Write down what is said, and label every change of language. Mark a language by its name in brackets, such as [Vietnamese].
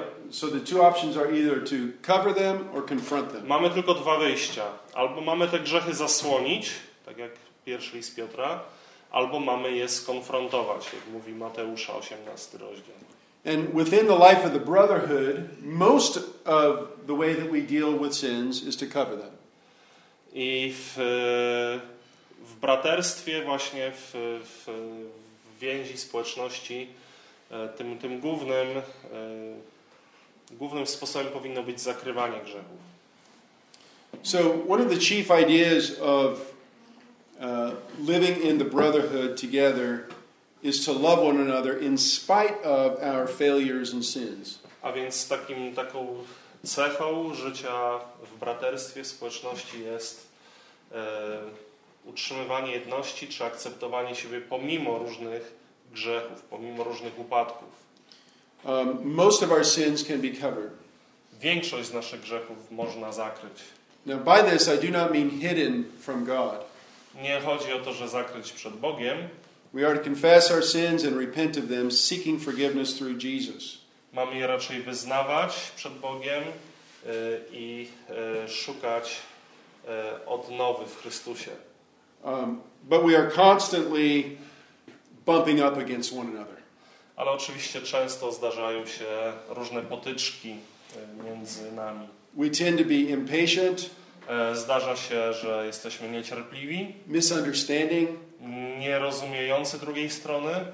[English] So the two options are either to cover them or confront them. [Polish] Mamy tylko dwa wyjścia. Albo mamy te grzechy zasłonić, tak jak pierwszy list Piotra, albo mamy je skonfrontować, jak mówi Mateusza 18 rozdział. [English] And within the life of the brotherhood, most of the way that we deal with sins is to cover them. [Polish] I w braterstwie właśnie w więzi społeczności tym głównym głównym sposobem powinno być zakrywanie grzechów. [English] So one of the chief ideas of living in the brotherhood together is to love one another in spite of our failures and sins. [Polish] A więc taką cechą życia w braterstwie, w społeczności jest utrzymywanie jedności czy akceptowanie siebie pomimo różnych grzechów, pomimo różnych upadków. [English] Most of our sins can be covered. [Polish] Większość z naszych grzechów można zakryć. [English] Now by this I do not mean hidden from God. [Polish] Nie chodzi o to, że zakryć przed Bogiem. [English] We are to confess our sins and repent of them, seeking forgiveness through Jesus. [Polish] Mamy je raczej wyznawać przed Bogiem i szukać odnowy w Chrystusie. [English] But we are constantly bumping up against one another. [Polish] Ale oczywiście często zdarzają się różne potyczki między nami. [English] We tend to be impatient. [Polish] Zdarza się, że jesteśmy niecierpliwi. [English] Misunderstanding. [Polish] Nierozumiejący drugiej strony.